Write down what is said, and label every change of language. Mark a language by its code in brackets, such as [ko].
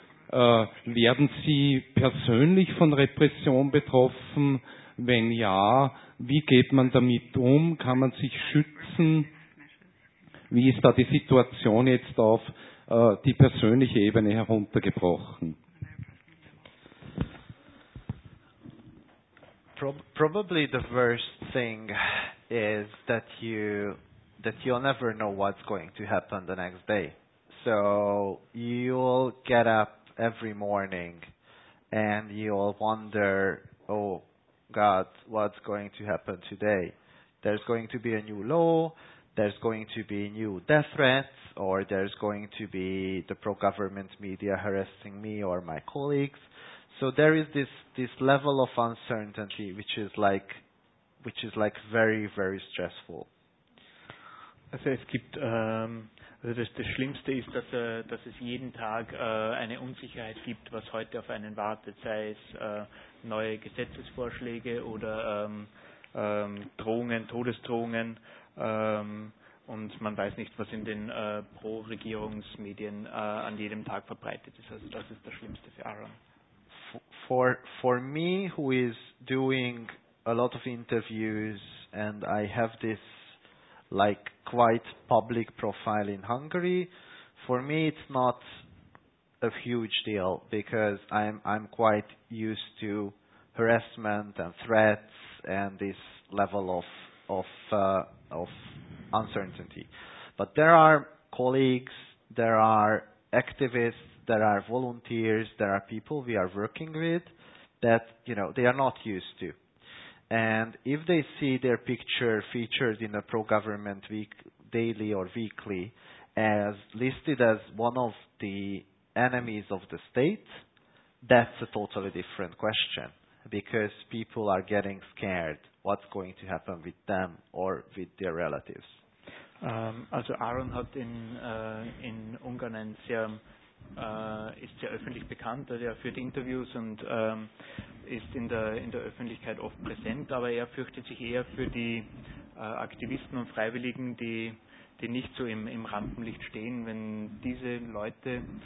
[de] Werden Sie persönlich von Repression betroffen? Wenn ja, wie geht man damit um? Kann man sich schützen? Wie ist da die Situation jetzt auf die persönliche Ebene heruntergebrochen? [en] Probably the worst thing is that you'll never know what's going to happen the next day. So you'll get up every morning and you'll wonder, oh, God what's going to happen today. There's going to be a new law, there's going to be new death threats, or there's going to be the pro-government media harassing me or my colleagues. So there is this level of uncertainty which is like very, very stressful. [de] Also es gibt das Schlimmste ist, dass es jeden Tag eine Unsicherheit gibt, was heute auf einen wartet, sei es neue Gesetzesvorschläge oder Drohungen, Todesdrohungen, und man weiß nicht, was in den Pro-Regierungsmedien an jedem Tag verbreitet ist. Also das ist das Schlimmste für Aaron. [en] For me, who is doing a lot of interviews and I have this like quite public profile in Hungary, for me it's not a huge deal because I'm quite used to harassment and threats and this level of uncertainty. But there are colleagues, there are activists, there are volunteers, there are people we are working with that, you know, they are not used to. And if they see their picture featured in a pro-government week, daily or weekly, as listed as one of the enemies of the state, that's a totally different question. Because people are getting scared what's going to happen with them or with their relatives. [de] Also Aaron hat in Ungarn ein sehr, ist sehr öffentlich bekannt, also er führt Interviews und ist in der Öffentlichkeit oft präsent, aber er fürchtet sich eher für die Aktivisten und Freiwilligen, die nicht so im Rampenlicht stehen, wenn diese Leute,